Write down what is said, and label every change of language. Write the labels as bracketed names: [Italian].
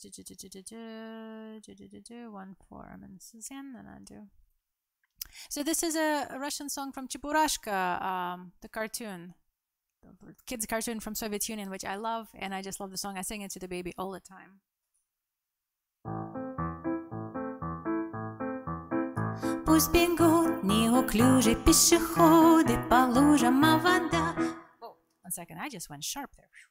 [English] One for Armin and Suzanne, then I do. So this is a Russian song from Chiburashka, the cartoon, the kids' cartoon from Soviet Union, which I love, and I just love the song. I sing it to the baby all the time. [Russian] Пусть бегут неуклюжие пешеходы по лужам, а вода... [English] Oh, one second, I just went sharp there.